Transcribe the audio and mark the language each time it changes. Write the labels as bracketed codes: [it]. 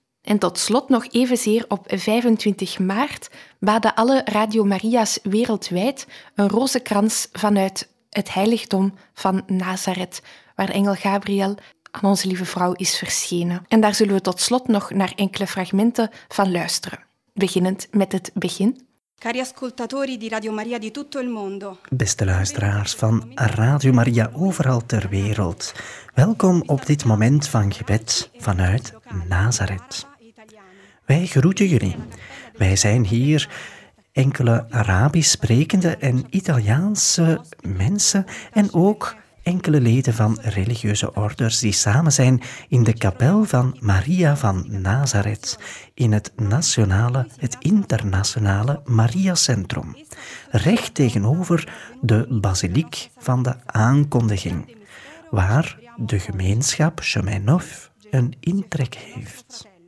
[nl] En tot slot nog evenzeer op 25 maart baden alle Radio Maria's wereldwijd een rozenkrans vanuit het heiligdom van Nazareth, waar de engel Gabriel aan onze lieve vrouw is verschenen. En daar zullen we tot slot nog naar enkele fragmenten van luisteren. Beginnend met het begin. [it] Cari ascoltatori di Radio Maria di tutto il mondo. [nl] Beste luisteraars van Radio Maria overal ter wereld, welkom op dit moment van gebed vanuit Nazareth. Wij groeten jullie. Wij zijn hier enkele Arabisch sprekende en Italiaanse mensen en ook enkele leden van religieuze orders die samen zijn in de kapel van Maria van Nazareth in het internationale Maria Centrum, recht tegenover de basiliek van de aankondiging, waar de gemeenschap Chemin Neuf een intrek heeft.